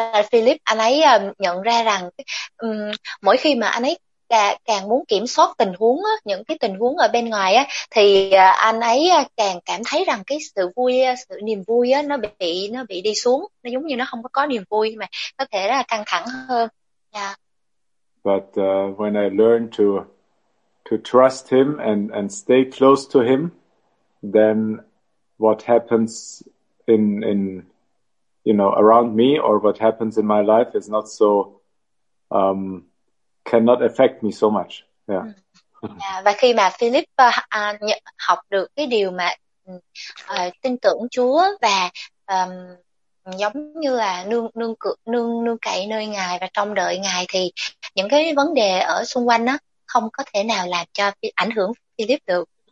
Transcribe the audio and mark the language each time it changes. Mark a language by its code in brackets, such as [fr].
[vi] Philip anh ấy nhận ra rằng mỗi khi mà anh ấy càng muốn kiểm soát tình huống á, những cái tình huống ở bên ngoài á, thì anh ấy càng cảm thấy rằng cái sự vui á, sự niềm vui á, nó bị đi xuống, nó giống như nó không có niềm vui mà có thể là căng thẳng hơn. Yeah. [en] But when I learn to trust him and stay close to him, then what happens in you know around me or what happens in my life is not so cannot affect me so much. Yeah. [vi] Và khi mà Philip học được cái điều mà tin tưởng Chúa và giống như là nương cậy nơi Ngài và trông đợi Ngài thì những cái vấn đề ở xung quanh nó không có thể nào làm cho ảnh hưởng Philip được.